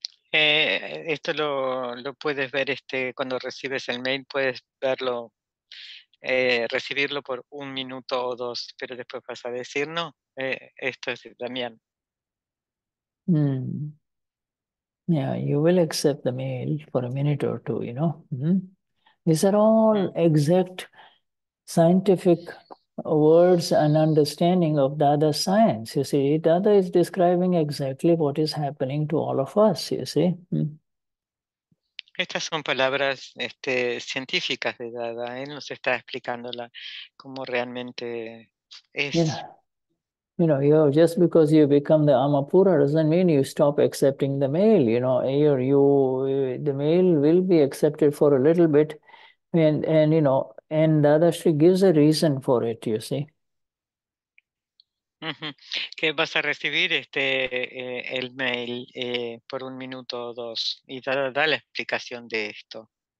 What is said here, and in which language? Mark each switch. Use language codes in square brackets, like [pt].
[es] Esto lo puedes ver cuando recibes el mail, puedes verlo, recibirlo por 1 minuto o 2, pero después vas a decir, no, esto es Damián. Mm. [en] Yeah, you will accept the mail for a minute or two, you know. Mm-hmm. These are all exact scientific words and understanding of Dada science. You see, Dada is describing exactly what is happening to all of us, you see. Mm. [es] Estas son palabras científicas de Dada. Él nos está explicándola como realmente es. [en] Yeah. You know, you know, just because you become the Amapura doesn't mean you stop accepting the male. You know, the male will be accepted for a little bit, and you know, and Dadashri gives a reason for it, you see. [es] Que vas a recibir este el mail por un minuto o dos y da la explicación de esto.